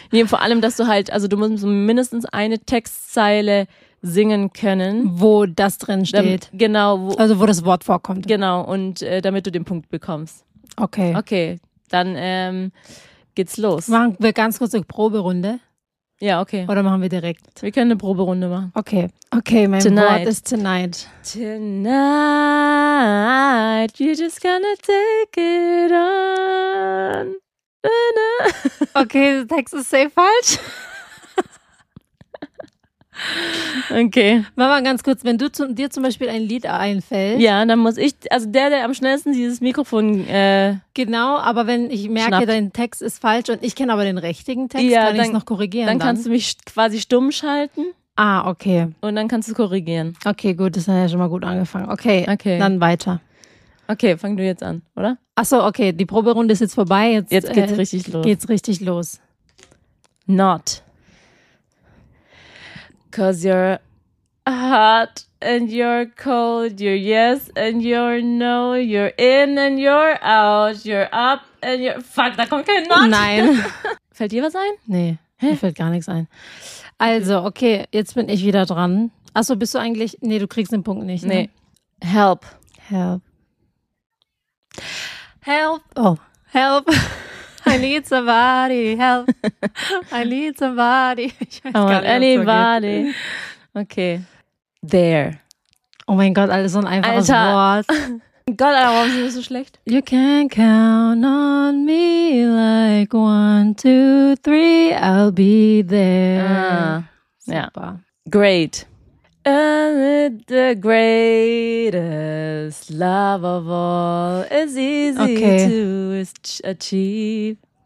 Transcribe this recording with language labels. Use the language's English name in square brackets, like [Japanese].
[German] Nee, vor allem, dass du halt, also du musst so mindestens eine Textzeile singen können. Wo das drin steht. Wo das Wort vorkommt. Genau, und damit du den Punkt bekommst. Okay. Okay, dann geht's los. Machen wir ganz kurz eine Proberunde. Ja, okay. Oder machen wir direkt? Wir können eine Proberunde machen. Okay. Okay, mein [English] tonight. [German] Wort ist tonight. [English] Tonight, you just gonna take it on. Na-na. [German] Okay, der Text ist safe falsch. Okay. Mach mal ganz kurz, wenn dir zum Beispiel ein Lied einfällt. Ja, dann muss ich, also der am schnellsten dieses Mikrofon genau, aber wenn ich merke, dein Text ist falsch und ich kenne aber den richtigen Text, ja, kann ich es noch korrigieren. Dann kannst du mich quasi stumm schalten. Ah, okay. Und dann kannst du korrigieren. Okay, gut, das hat ja schon mal gut angefangen. Okay, okay. Dann weiter. Okay, fang du jetzt an, oder? Achso, okay, die Proberunde ist jetzt vorbei. Jetzt geht's richtig los. Not. [English] Cause you're hot and you're cold, you're yes and you're no, you're in and you're out, you're up and you're... [German] Fuck, da kommt kein Not. Nein. Fällt dir was ein? Nee, mir fällt gar nichts ein. Also, okay, jetzt bin ich wieder dran. Achso, bist du eigentlich... Nee, du kriegst den Punkt nicht. Nee. Ne? [English] Help. Help. Help. Oh. Help. I need somebody, help. I need somebody. [German] Ich weiß gar nicht, anybody. [English] Okay. There. [German] Oh mein Gott, alles so ein einfaches Alter. Wort. Gott, Alter, warum sind wir so schlecht? [English] You can count on me like 1, 2, 3, I'll be there. [German] Ja. Super. Great. [English] Amid the greatest love of all is easy to achieve.